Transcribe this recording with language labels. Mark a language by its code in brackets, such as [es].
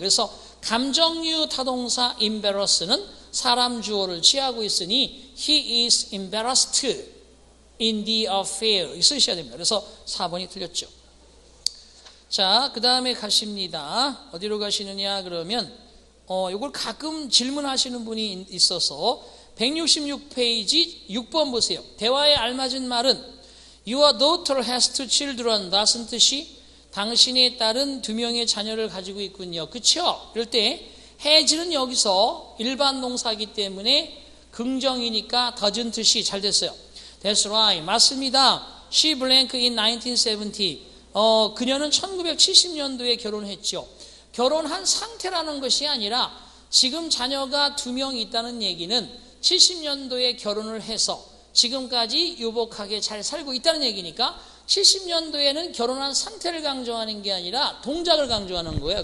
[ko] 그래서 감정유 타동사 embarrass는 사람 주어를 취하고 있으니 [en] He is embarrassed in the affair [ko] 쓰셔야 됩니다. 그래서 4번이 틀렸죠. 자, 그 다음에 가십니다. 어디로 가시느냐 그러면 이걸 가끔 질문하시는 분이 있어서 166페이지 6번 보세요. 대화에 알맞은 말은 [en] Your daughter has two children, doesn't she? [ko] 당신의 딸은 두 명의 자녀를 가지고 있군요. 그쵸? 이럴 때 has는 여기서 일반 동사이기 때문에 긍정이니까 [en] doesn't she [ko] 잘 됐어요. [en] That's right. [ko] 맞습니다. [en] She blank in 1970. [ko] 그녀는 1970년도에 결혼했죠. 결혼한 상태라는 것이 아니라 지금 자녀가 두 명 있다는 얘기는 70년도에 결혼을 해서 지금까지 유복하게 잘 살고 있다는 얘기니까 70년도에는 결혼한 상태를 강조하는 게 아니라 동작을 강조하는 거예요.